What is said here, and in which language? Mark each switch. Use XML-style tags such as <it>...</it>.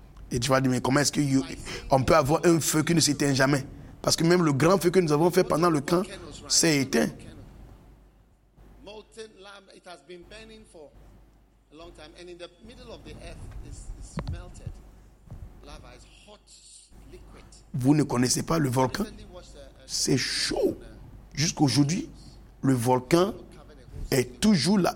<fr>Et tu vas dire, mais comment est-ce qu'on peut avoir un feu qui ne s'éteint jamais? Parce que même le grand feu que nous avons fait pendant le camp s'est éteint.</fr> <en>it has been burning for a long time, and in the middle of the earth is melted. Lava is hot liquid.</en> <fr>Vous ne connaissez pas le volcan? C'est chaud. Jusqu'aujourd'hui, le volcan est toujours là.</fr>